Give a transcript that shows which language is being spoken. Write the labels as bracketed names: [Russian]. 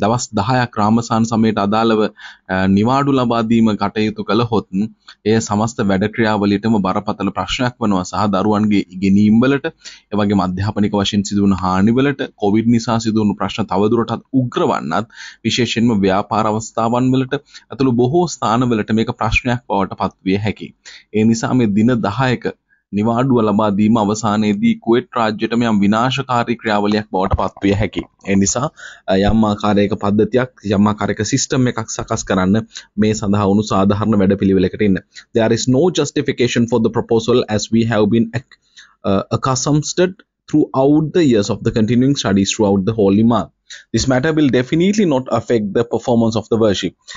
[Sinhala] Dawas 10ak Ramasan samayeta adalawa nivadu laba deema katayutu kalahoth එය සමස්ත වැඩ ක්‍රියාවලියටම බරපතල ප්‍රශ්නයක් වනවා. සහ දරුවන්ගේ ඉගෙනීම් වලට, ඒ වගේම අධ්‍යාපනික වශයෙන් සිදු වුණු හානි වලට, කොවිඩ් නිසා සිදු වුණු ප්‍රශ්න තවදුරටත් උග්‍ර වන්නත්, විශේෂයෙන්ම ව්‍යාපාර අවස්ථාවන් වලට, අතුළු බොහෝ ස්ථාන වලට මේක ප්‍රශ්නයක් බවට පත් විය හැකියි. ඒ නිසා මේ දින 10ක නිවාඩුව ලබා දීම අවසානයේදී කුවෙට් රාජ්‍යයට යම් විනාශකාරී ක්‍රියාවලියක් බවට පත් විය හැකියි. ඒ නිසා යම් ආකාරයක පද්ධතියක් යම් ආකාරයක සිස්ටම් එකක් සකස් කරන්න මේ සඳහා උණු සාධාරණ වැඩපිළිවෙලකට ඉන්න. [English] There is no justification for the proposal as we have been accustomed throughout the years of the continuing studies throughout the holy month. This matter will definitely not affect the performance of the worship.